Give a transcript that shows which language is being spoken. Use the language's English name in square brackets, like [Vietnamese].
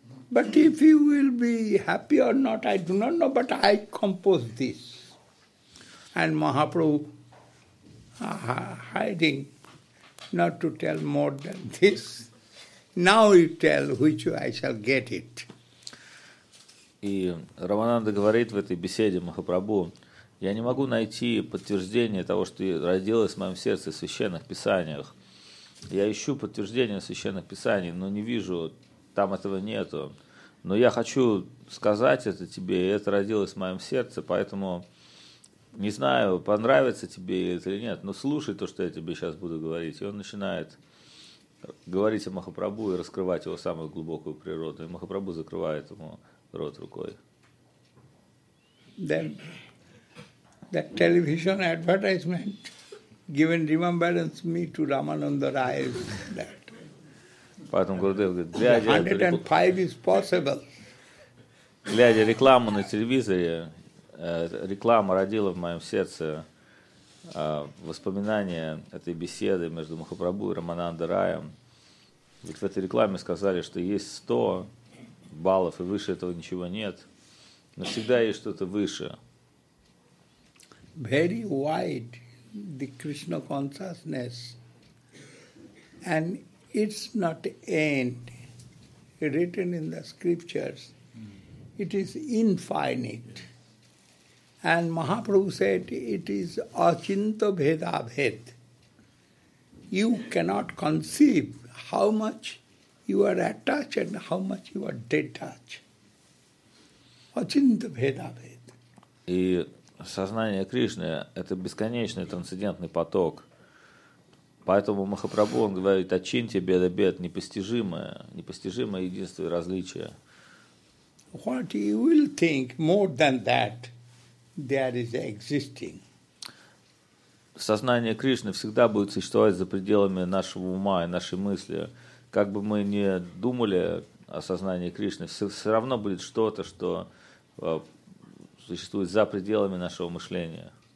[English] But if you will be happy or not, I do not know, but I compose this. And Mahaprabhu, hiding, not to tell more than this. Now you tell which I shall get it. [Russian] И Рамананда говорит в этой беседе Махапрабху, я не могу найти подтверждение того, что родилось в моем сердце в священных писаниях. Я ищу подтверждение в священных писаниях, но не вижу, там этого нету. Но я хочу сказать это тебе, и это родилось в моем сердце, поэтому не знаю, понравится тебе это или нет, но слушай то, что я тебе сейчас буду говорить. И он начинает говорить о Махапрабху и раскрывать его самую глубокую природу. И Махапрабху закрывает ему рот рукой. [English] Then that television advertisement given remembrance me to Ramananda Rai. [Russian] Поэтому Гурудев говорит, глядя, [English] 105 is possible. [Russian] Глядя рекламу на телевизоре, реклама родила в моем сердце воспоминания этой беседы между Махапрабху и Рамананда Раем. Ведь в этой рекламе сказали, что есть 100 баллов, и выше этого ничего нет. Но всегда есть что-то выше. [English] Very wide the Krishna consciousness. And it's not end written in the scriptures. It is infinite. And Mahaprabhu said it is achinta bheda bhed. You cannot conceive how much you are attached and how much you are detached. Achinta bheda bhed. [Russian] И сознание Кришны – это бесконечный трансцендентный поток. Поэтому Махапрабху, он говорит, очиньте беда-бед, непостижимое, непостижимое единство и различие. [English] What you will think more than that, there is existing. [Russian] Сознание Кришны всегда будет существовать за пределами нашего ума и нашей мысли. Как бы мы ни думали о сознании Кришны, все равно будет что-то, что существует за пределами нашего мышления.